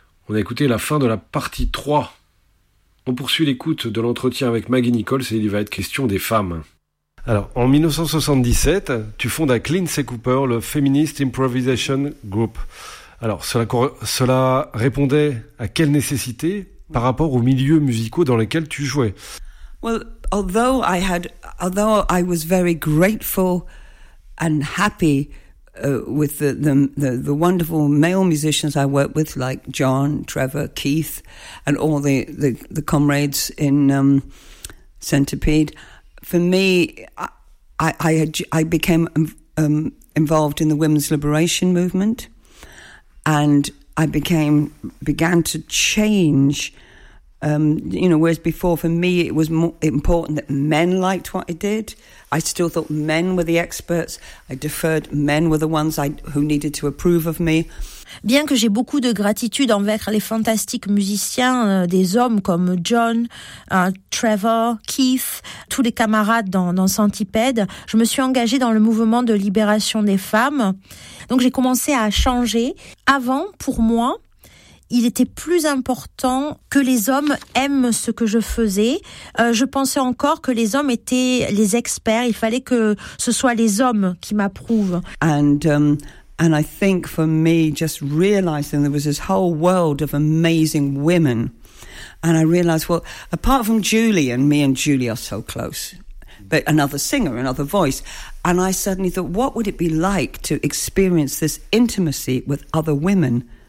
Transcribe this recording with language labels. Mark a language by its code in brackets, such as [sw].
[fr] On a écouté la fin de la partie 3. On poursuit l'écoute de l'entretien avec Maggie Nichols et il va être question des femmes. Alors, en 1977, tu fondes à Lindsay Cooper le Feminist Improvisation Group. Alors, cela répondait à quelle nécessité par rapport aux milieux musicaux dans lesquels tu jouais? [en] Well, although I was very grateful and happy with the wonderful male musicians I worked with, like John, Trevor, Keith, and all the comrades in Centipede, for me, I became involved in the women's liberation movement. And I began to change, you know, whereas before for me it was more important that men liked what I did. I still thought men were the experts. I deferred men were the ones who needed to approve of me. [fr] Bien que j'ai beaucoup de gratitude envers les fantastiques musiciens, des hommes comme John, Trevor, Keith, tous les camarades dans Centipede, je me suis engagée dans le mouvement de libération des femmes. Donc j'ai commencé à changer. Avant, pour moi, il était plus important que les hommes aiment ce que je faisais. Je pensais encore que les hommes étaient les experts. Il fallait que ce soit les hommes qui m'approuvent. [en] And I think for me, just realizing there was this whole world of amazing women, and I realized, well, apart from Julie, and me and Julie are so close, but another singer, another voice, and I suddenly thought, what would it be like to experience this intimacy with other women?